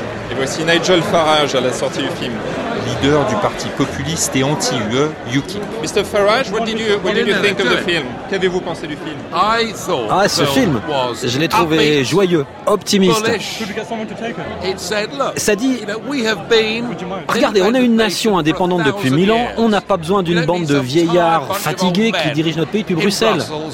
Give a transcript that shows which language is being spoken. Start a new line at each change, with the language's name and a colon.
French: Et voici Nigel Farage à la sortie du film. Leader du parti populiste et anti-UE, UKIP.
English: Mr. Farage, what did you think of the film?
French: Qu'avez-vous pensé du film?
English: I thought
French: ah, ce film, je l'ai trouvé joyeux, optimiste. Ça dit, regardez, on est une nation indépendante depuis 1000 ans, on n'a pas besoin d'une bande de vieillards fatigués qui dirigent notre pays depuis Bruxelles.